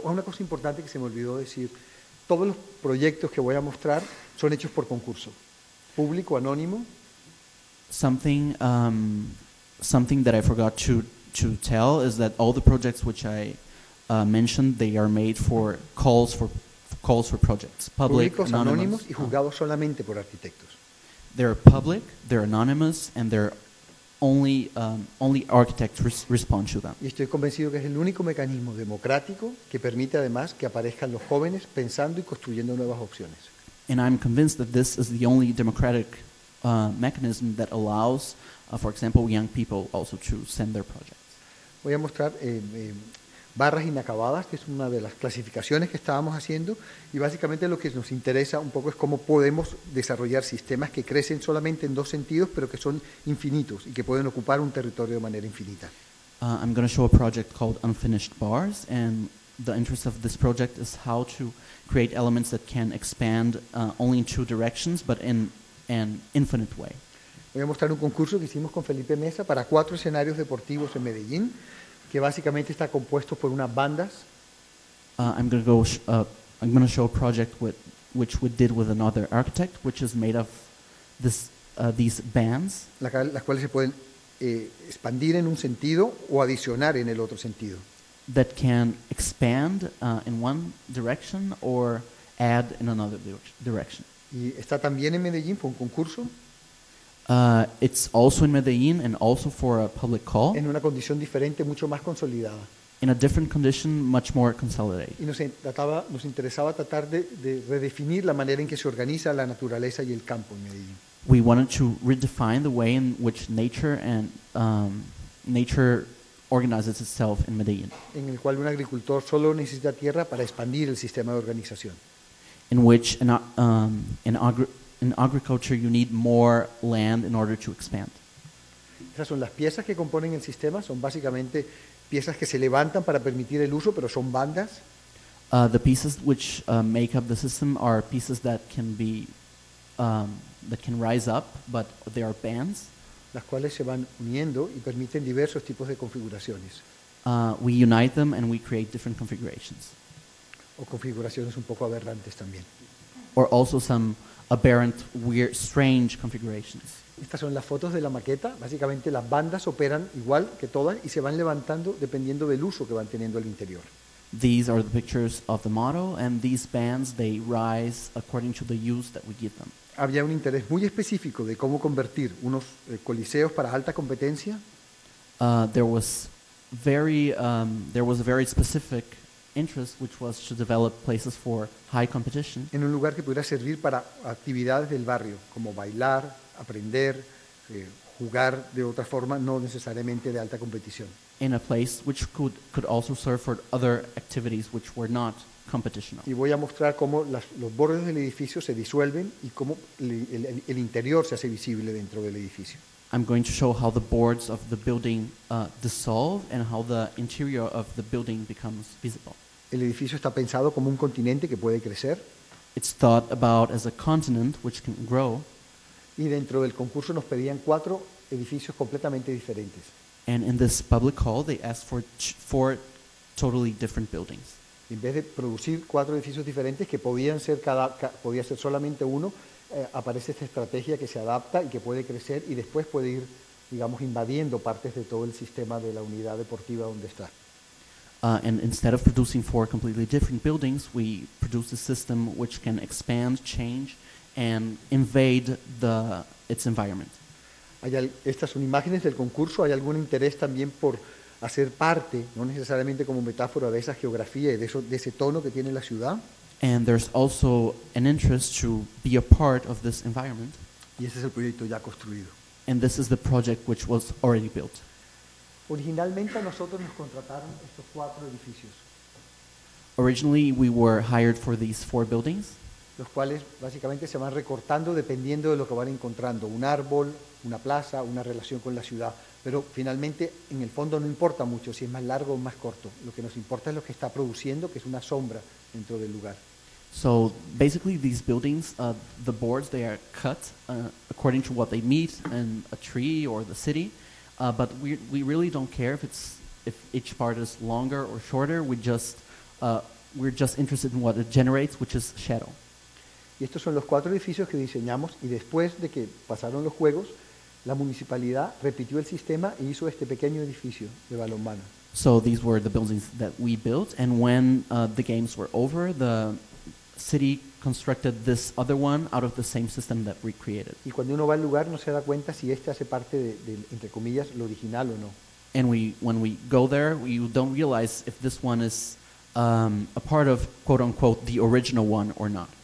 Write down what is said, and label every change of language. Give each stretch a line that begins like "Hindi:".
Spanish: Una cosa importante que se me olvidó decir. Todos los proyectos que voy a mostrar son hechos por concurso, público, anónimo.
English: Something that I forgot to tell is that all the projects which I mentioned, they are made for calls for projects, public,
Spanish: públicos, anónimos y juzgados solamente por arquitectos.
English: They're public, they're anonymous, and they're only architects respond to them.
Spanish: Y estoy convencido que es el único mecanismo democrático que permite además que aparezcan los jóvenes pensando y construyendo nuevas opciones.
English: And I'm convinced that this is the only democratic mechanism that allows, for example, young people also to send their projects.
Spanish: Voy a mostrar barras inacabadas, que es una de las clasificaciones que estábamos haciendo, y básicamente lo que nos interesa un poco es cómo podemos desarrollar sistemas que crecen solamente en dos sentidos, pero que son infinitos y que pueden ocupar un territorio de manera infinita.
English: I'm going to show a project called Unfinished Bars, and the interest of this project is how to create elements that can expand only in two directions, but in an infinite way.
Spanish: Voy a mostrar un concurso que hicimos con Felipe Mesa para cuatro escenarios deportivos en Medellín, que básicamente está compuesto por unas bandas.
English: I'm going to show a project which we did with another architect, which is made of these bands.
Spanish: Las cuales se pueden expandir en un sentido o adicionar en el otro sentido.
English: That can expand in one direction or add in another direction.
Spanish: Y está también en Medellín, fue un concurso.
English: It's also in Medellín and also for a public call.
Spanish: En una condición diferente, mucho más consolidada.
English: In a different condition, much more consolidated.
Spanish: Y nos interesaba tratar de redefinir la manera en que se organiza la naturaleza y el campo en Medellín.
English: We wanted to redefine the way in which nature and nature organizes itself in Medellín.
Spanish: En el cual un agricultor solo necesita tierra para expandir el sistema de organización.
English: In which in agriculture you need more land in order to expand.
Spanish: Esas son las piezas que componen el sistema, son básicamente piezas que se levantan para permitir el uso, pero son bandas.
English: The pieces which make up the system are pieces that can be that can rise up, but they are bands.
Spanish: Las cuales se van uniendo y permiten diversos tipos de configuraciones.
English: We unite them and we create different configurations.
Spanish: O configuraciones un poco aberrantes también.
English: Or also some aberrant, weird, strange configurations.
Spanish: Estas son las fotos de la maqueta. Básicamente las bandas operan igual que todas y se van levantando dependiendo del uso que van teniendo al interior.
English: These are the pictures of the model and these bands, they rise according to the use that we give them.
Spanish: Había un interés muy específico de cómo convertir unos coliseos para alta competencia.
English: There was a very specific interest, which was to develop places for high competition.
Spanish: En un lugar que pudiera servir para actividades del barrio, como bailar, aprender, jugar de otra forma, no necesariamente de alta competición.
English: In a place which could also serve for other activities which were not competitional.
Spanish: Y voy a mostrar cómo los bordes del edificio se disuelven y cómo el interior se hace visible dentro del edificio.
English: I'm going to show how the boards of the building dissolve and how the interior of the building becomes visible.
Spanish: El edificio está pensado como un continente que puede crecer.
English: It's thought about as a continent which can grow.
Spanish: Y dentro del concurso nos pedían cuatro edificios completamente diferentes.
English: And in this public hall, they asked for four totally different buildings.
Spanish: En vez de producir cuatro edificios diferentes que podían ser podía ser solamente uno, aparece esta estrategia que se adapta y que puede crecer y después puede ir, digamos, invadiendo partes de todo el sistema de la unidad deportiva donde está.
English: And instead of producing four completely different buildings, we produce a system which can expand, change, and invade its environment.
Spanish: Estas son imágenes del concurso. ¿Hay algún interés también por hacer parte, no necesariamente como metáfora, de esa geografía y de ese tono que tiene la ciudad?
English: And there's also an interest to be a part of this environment.
Spanish: Y ese es el proyecto ya construido.
English: And this is the project which was already built.
Spanish: Originalmente a nosotros nos contrataron estos cuatro edificios.
English: Originally we were hired for these four buildings.
Spanish: Los cuales básicamente se van recortando dependiendo de lo que van encontrando. Un árbol, una plaza, una relación con la ciudad. Pero finalmente, en el fondo no importa mucho si es más largo o más corto. Lo que nos importa es lo que está produciendo, que es una sombra dentro del lugar.
English: So, basically these buildings, the boards, they are cut according to what they meet in a tree or the city. But we really don't care if each part is longer or shorter. We're just interested in what it generates, which is shadow.
Spanish: Y estos son los cuatro edificios que diseñamos y después de que pasaron los juegos, la municipalidad repitió el sistema e hizo este pequeño edificio de balonmano.
English: So these were the buildings that we built, and when the games were over, the city constructed this other one out of the same system that we created.
Spanish: Y cuando uno va al lugar no se da cuenta si este hace parte de entre comillas, lo original o no.
English: And when we go there, we don't realize if this one is a part of, quote unquote, the original one or not.